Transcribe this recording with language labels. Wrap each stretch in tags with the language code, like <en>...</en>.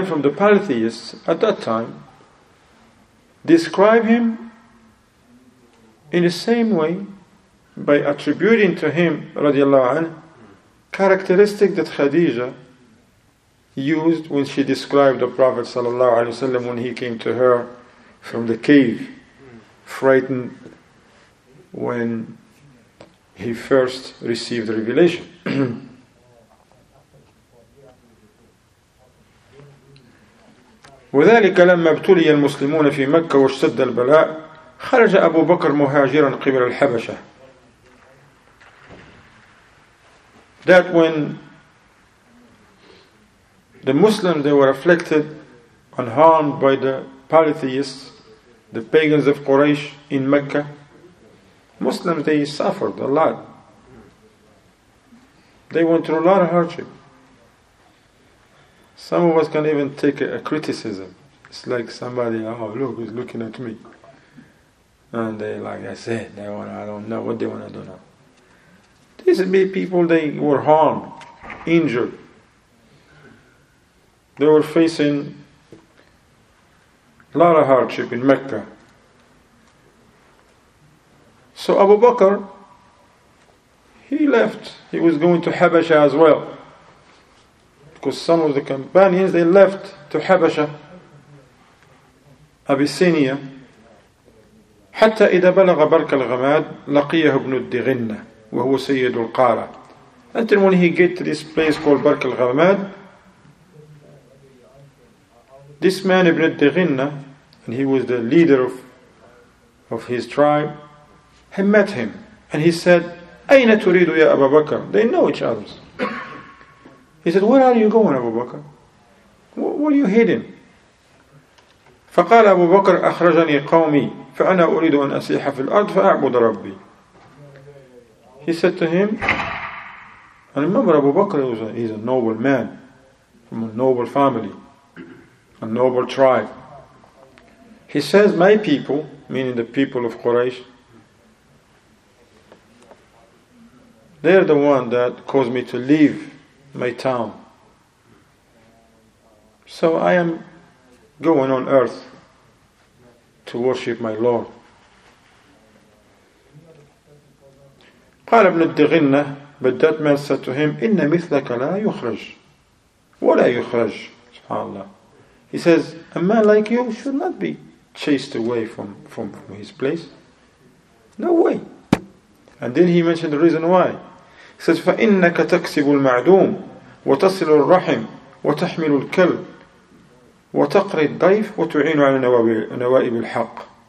<en>polytheists at that time describe him in the same way, by attributing to him, radiallahu anhu, characteristic that Khadija used when she described the Prophet sallallahu alaihi wasallam when he came to her from the cave, frightened when he first received the revelation.</en> <ar>وذلك لما ابتلي المسلمون في مكة واشتد البلاء خرج أبو بكر مهاجرا قبل الحبشة.</ar> <en>That when the Muslims, they were afflicted and harmed by the polytheists, the pagans of Quraysh in Mecca, Muslims, they suffered a lot. They went through a lot of hardship. Some of us can even take a criticism. It's like somebody, oh look, he's looking at me. And they, like I said, I don't know what they want to do now. These would be people, they were harmed, injured. They were facing a lot of hardship in Mecca. So Abu Bakr, he left. He was going to Habasha as well. Because some of the companions, they left to Habasha, Abyssinia.</en> <ar>حتى إذا بلغ برك الغماد لقيه ابن الدغنة وهو سيد القارة.</ar> <en>Until when he get to this place called برك الغماد, this man ابن الدغنة, and he was the leader of his tribe, he met him and he said,</en> <ar>أين تريد يا أبا بكر؟</ar> <en>They know each other. He said, where are you going, أبو بكر? Where are you hidden?</en> <ar>فقال أبو بكر أخرجني قومي فأنا أريد أن أسيح في الأرض فأعبد ربي.</ar> <en>He said to him, I remember Abu Bakr, he's a noble man from a noble family, a noble tribe. He says, my people, meaning the people of Quraysh, they are the one that caused me to leave my town. So I am going on earth to worship my Lord.</en> <ar>قال ابن الدغنة,</ar> <en>but that man said to him,</en> <ar>إِنَّ مِثْلَكَ لَا يُخْرَجْ وَلَا يُخْرَجْ. SubhanAllah.</ar> <en>He says, a man like you should not be chased away from his place. No way. And then he mentioned the reason why. He says,</en> <ar>فَإِنَّكَ تَكْسِبُ الْمَعْدُومِ وَتَصِلُ الرَّحِمِ وَتَحْمِلُ الْكَلْ وَتَقْرِ الضَّيْفِ وَتُعِينُ عَلَى نَوَائِبِ الْحَقِّ.</ar>